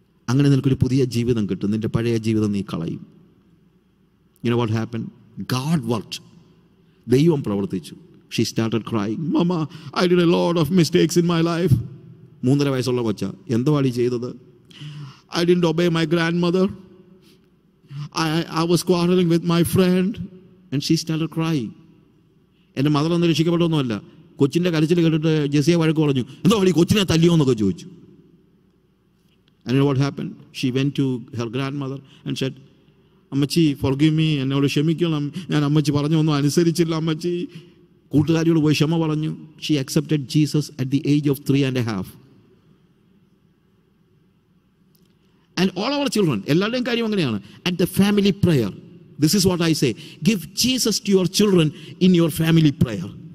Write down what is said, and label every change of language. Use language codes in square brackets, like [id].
[ml] അങ്ങനെ നിനക്കൊരു പുതിയ ജീവിതം കിട്ടും. നിന്റെ പഴയ ജീവിതം നീ കളയും. [en] You know what happened? God worked. [ml] ദൈവം പ്രവർത്തിച്ചു. [en] She started crying. Mama, I did a lot of mistakes in my life. [ml] മൂന്നര വയസ്സുള്ള കൊച്ച. എന്തുവാടി ചെയ്തത്? [en] I didn't obey my grandmother. I was quarreling with my friend. And she started crying. [ml] എൻ്റെ mother ഒന്നും രക്ഷിക്കപ്പെട്ടൊന്നുമല്ല. കൊച്ചിൻ്റെ കരച്ചിൽ കേട്ടിട്ട് ജെസിയെ വഴക്ക് പറഞ്ഞു. എന്തോ വഴി കൊച്ചിനെ തല്ലിയോ എന്നൊക്കെ ചോദിച്ചു. [en] And you know what happened? She went to her grandmother and said, അമ്മച്ചി forgive me, [ml] എന്നോട് ക്ഷമിക്കണം, ഞാൻ അമ്മച്ചി പറഞ്ഞൊന്നും അനുസരിച്ചില്ല. അമ്മച്ചി കൂട്ടുകാരിയോട് പോയി ക്ഷമ പറഞ്ഞു. [en] She accepted Jesus at the age of 3 and a half. And all our children, [ml] എല്ലാവരുടെയും കാര്യം അങ്ങനെയാണ്. [en] At the family prayer, this is what I say, give Jesus to your children in your family prayer.